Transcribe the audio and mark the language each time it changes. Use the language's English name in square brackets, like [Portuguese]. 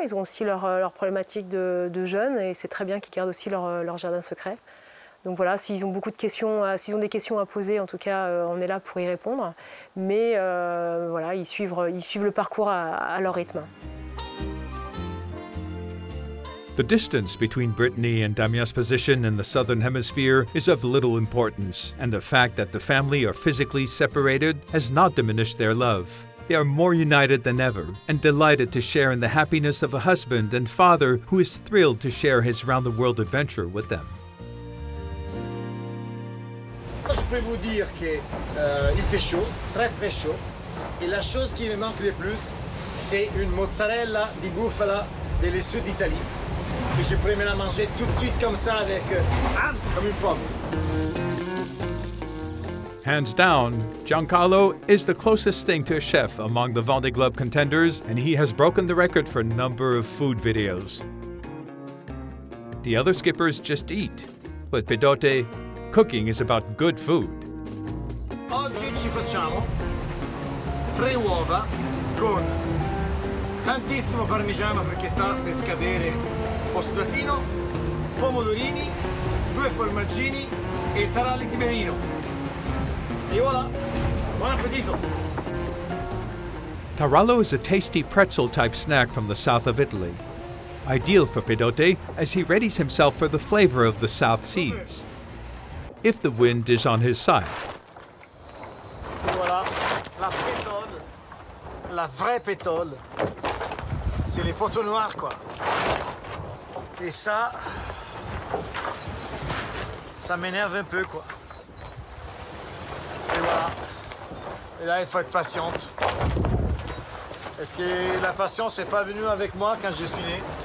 [French] Ils ont aussi leur problématique de jeunes et c'est très bien qu'ils gardent aussi leur jardin secret. Donc voilà, s'ils ont beaucoup de questions, s'ils ont des questions à poser, en tout cas, on est là pour y répondre. Mais voilà, ils suivent le parcours à leur rythme. [English] The distance between Brittany and Damien's position in the Southern Hemisphere is of little importance, and the fact that the family are physically separated has not diminished their love. They are more united than ever, and delighted to share in the happiness of a husband and father who is thrilled to share his round-the-world adventure with them. [French] Je peux vous dire que il fait chaud, très très chaud, et la chose qui me manque le plus, c'est une mozzarella [Italian] di bufala del sud [French] d'Italie. Et je pourrais me la manger tout de suite comme ça avec comme une pomme. [English] Hands down, Giancarlo is the closest thing to a chef among the Vendée Globe contenders, and he has broken the record for a number of food videos. The other skippers just eat. With Pedote, cooking is about good food. [Italian] Oggi ci facciamo tre uova con tantissimo parmigiano perché sta per scadere. Ostratino, pomodorini, due formaggini e taralli di merino. E voilà! Buon appetito! [English] Tarallo is a tasty pretzel-type snack from the south of Italy. ideal for Pedote as he readies himself for the flavor of the South Seas. If the wind is on his side. [French] Voilà, la pétole, la vraie pétole. C'est les poteaux noirs, quoi. Et ça, ça m'énerve un peu, quoi. Et voilà. Et là, il faut être patiente. Est-ce que la patience n'est pas venue avec moi quand je suis né?